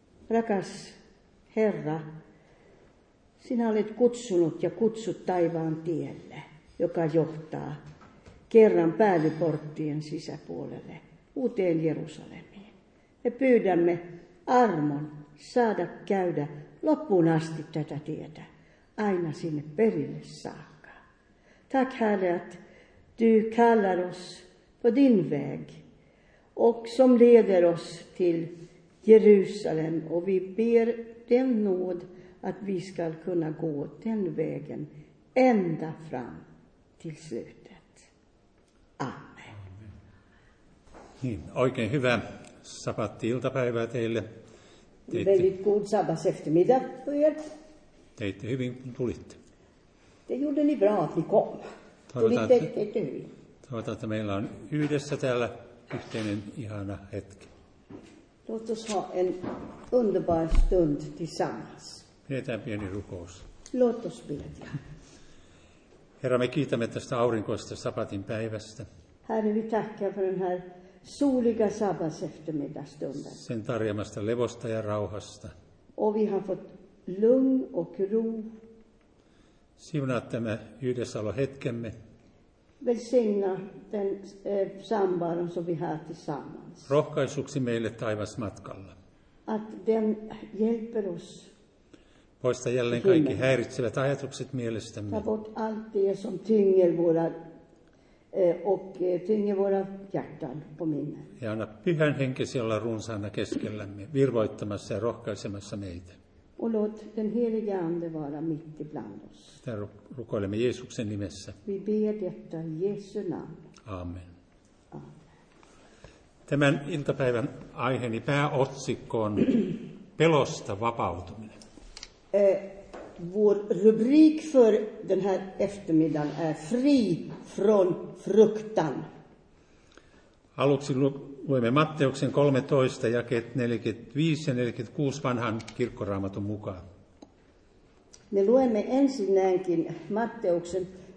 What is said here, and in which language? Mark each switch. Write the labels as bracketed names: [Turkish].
[Finnish] Rakas Herra, sinä olet kutsunut ja kutsut taivaan tielle, joka johtaa kerran päällyporttien sisäpuolelle, uuteen Jerusalemiin. Me pyydämme armon saada käydä loppuun asti tätä tietä, aina sinne perille saakka. [Swedish] Tack Herre, att du kallar oss på din väg och som leder oss till Jerusalem. Och vi ber den nåd att vi ska kunna gå den vägen ända fram till slutet. Amen. [Finnish] Niin, oikein hyvä sabbatti-iltapäivä teille. [Swedish] Väldigt god sabbats eftermiddag för er. [Finnish] Teitte hyvin, kun tulitte. [Swedish] Det gjorde ni bra att ni kom. [Finnish] Toivotaan, että meillä on yhdessä täällä yhteinen ihana hetki. [Swedish] Låt oss ha en underbar stund tillsammans. [Finnish] Pidetään pieni rukous. [Swedish] Låt oss bedja. [Finnish] Herra, me kiitämme tästä aurinkoista sabbatin päivästä. [Swedish] Herre, vi tackar för den här soliga sabbats eftermiddagstunden. [Finnish] Sen tarjamasta levosta ja rauhasta. [Swedish] Och vi har fått lugn och ro. [Finnish] Siunaa tämä yhdessäolo hetkemme. [Swedish] Välsigna den samvaron som vi har tillsammans. [Finnish] Rohkaisuksi meille taivasmatkalla. [Swedish] Att den hjälper oss. [Finnish] Poista jälleen kaikki häiritsevät ajatukset mielestämme. [Swedish] Ta bort allt det som tynger våra och tynge våra hjärtan på minne. [Finnish] Ja anna pyhän henkesi olla runsaana keskellämme, virvoittamassa ja rohkaisemassa meitä. [Swedish] Och låt den helige ande vara mitt ibland oss. [Finnish] Sitä rukoilemme Jeesuksen nimessä. [Swedish] Vi ber detta i Jesu namn. Amen. [Finnish] Tämän iltapäivän aiheeni pääotsikko on pelosta vapautuminen. [Swedish] Vår rubrik för den här eftermiddagen är fri från fruktan. [Finnish] Aluksi luemme Matteuksen 13, jakeet 45 ja 46 vanhan kirkkoraamatun mukaan. [Swedish] Me luemme ensinnäkin Matteuksen...